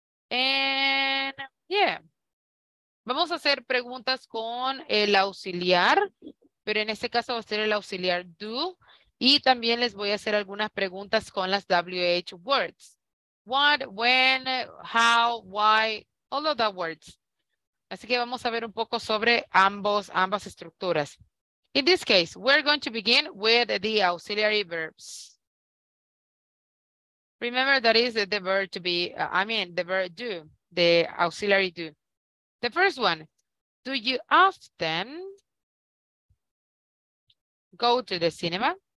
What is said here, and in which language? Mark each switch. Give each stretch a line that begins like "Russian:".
English: And yeah,
Spanish: vamos a hacer preguntas con el auxiliar, pero en este caso va a ser el auxiliar do, y también les voy a hacer algunas preguntas con las WH words.
English: What, when, how, why, all of the words.
Spanish: Así que vamos a ver un poco sobre ambas estructuras.
English: In this case, we're going to begin with the auxiliary verbs. Remember, that is the verb to be, the verb do, the auxiliary do. The first one, do you often go to the cinema?